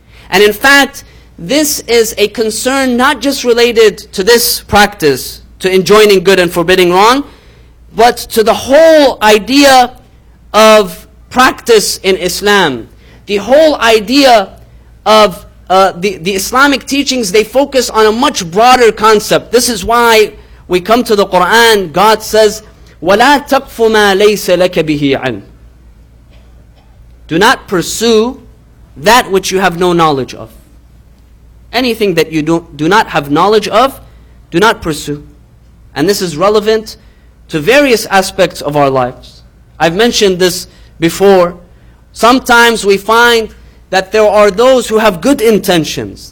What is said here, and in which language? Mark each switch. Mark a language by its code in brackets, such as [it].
[en] And in fact, this is a concern not just related to this practice, to enjoining good and forbidding wrong, but to the whole idea of practice in Islam, the whole idea of the Islamic teachings, they focus on a much broader concept. This is why we come to the Quran. God says, [ar] وَلَا تَقْفُ مَا لَيْسَ لَكَ بِهِ عِلْمٍ. [en] Do not pursue that which you have no knowledge of. Anything that you do not have knowledge of, do not pursue. And this is relevant to various aspects of our lives. I've mentioned this before. Sometimes we find that there are those who have good intentions.